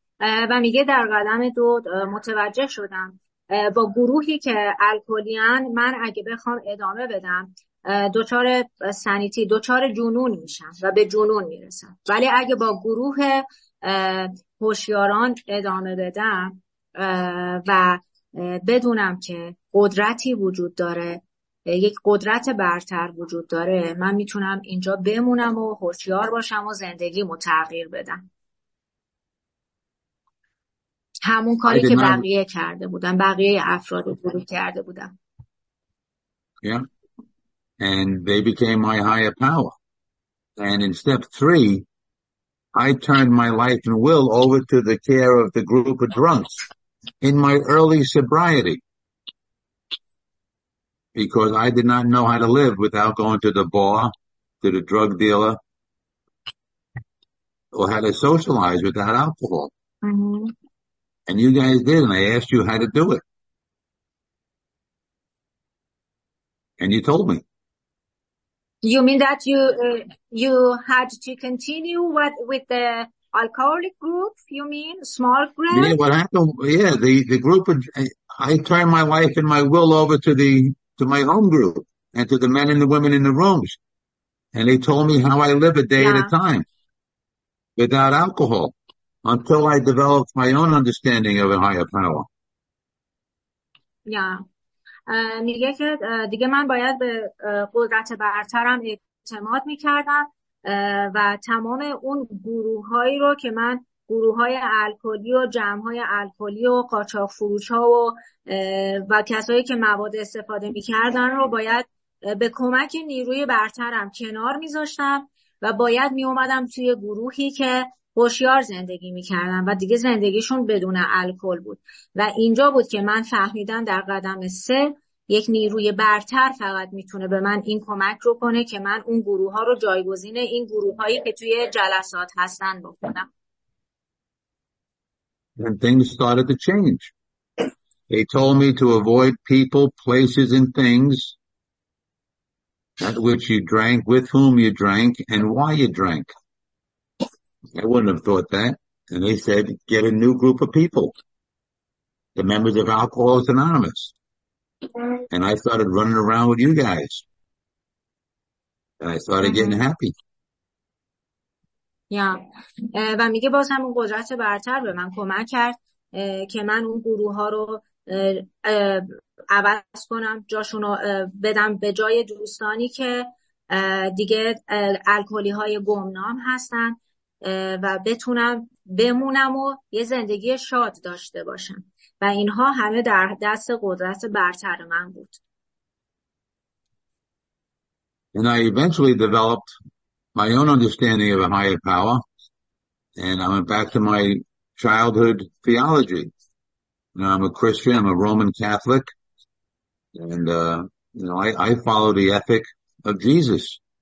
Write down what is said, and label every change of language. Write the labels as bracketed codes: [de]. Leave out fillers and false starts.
[fa] و میگه در قدم دو متوجه شدم با گروهی که الکلیان، من اگه بخوام ادامه بدم دوچار سنیتی، دوچار جنون میشم و به جنون میرسم، ولی اگه با گروه هوشیاران ادامه بدم و بدونم که قدرتی وجود داره، یک قدرت برتر وجود داره، من میتونم اینجا بمونم و هوشیار باشم و زندگیمو تغییر بدم. همون کاری که بقیه کرده بودن، بقیه افراد رو گروه کرده بودن. [en] Yeah. And they became my higher power. And in step three, I turned my life and will over to the care of the group of drunks in my early sobriety because I did not know how to live without going to the bar, to the drug dealer, or how to socialize without alcohol. Mm-hmm. And you guys did, and I asked you how to do it. And you told me. You mean that you had to continue with the alcoholic group, you mean? Small group? Yeah, what happened? Yeah, the group, I turned my life and my will over to my home group and to the men and the women in the rooms. And they told me how I live a day at a time without alcohol until I developed my own understanding of a higher power. Yeah. [fa] میگه که دیگه من باید به قدرت برترم اعتماد میکردم و تمام اون گروه هایی رو که من گروه های الکلی و جمع های الکلی و قاچاق فروش ها و کسایی که مواد استفاده میکردن رو باید به کمک نیروی برترم کنار میذاشتم و باید میومدم توی گروهی که هوشیار زندگی میکردن و دیگه زندگیشون بدون الکل بود و اینجا بود که من فهمیدم در قدم سه یک نیروی برتر فقط میتونه به من این کمک رو کنه که من اون گروه ها رو جایگزین این گروه هایی که توی جلسات هستن بکنم. [en] And things started to change. They told me to avoid people, places and things at which you drank, with whom you drank and why you drank. I wouldn't have thought that. And they said, get a new group of people, the members of Alcoholics Anonymous. And I started running around with you guys. And I started getting happy. Yeah. [fa] و میگه باز همون قدرت برتر به من کمک کرد که من اون گروه ها رو عوض کنم، جاشون رو بدم به جای دوستانی که دیگه الکلی های گمنام هستن و بتونم بمونم و یه زندگی شاد داشته باشم و اینها همه در دست قدرت برتر من بود. [en] And I eventually developed my own understanding of a higher power and I went back to my childhood theology. Now I'm a Christian, I'm a Roman Catholic and I follow the ethic of Jesus.